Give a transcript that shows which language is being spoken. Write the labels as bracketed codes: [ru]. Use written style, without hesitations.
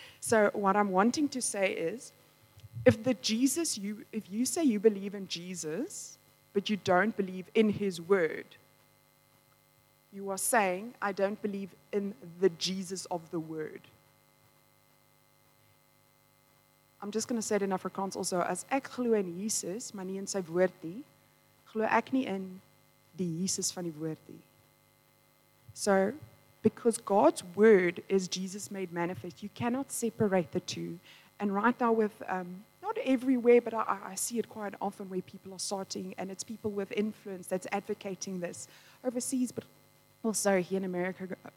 [en] So what I'm wanting to say is, if you say you believe in Jesus, but you don't believe in his word, you are saying, I don't believe in the Jesus of the word. I'm just going to say it in Afrikaans also. [af] As ek glo in Jesus, maar nie in sy woord nie, glo ek nie in die Jesus van die woord nie. [en] So, because God's word is Jesus made manifest, you cannot separate the two. And right now with, not everywhere, but I see it quite often where people are starting, and it's people with influence that's advocating this overseas, but also here in America.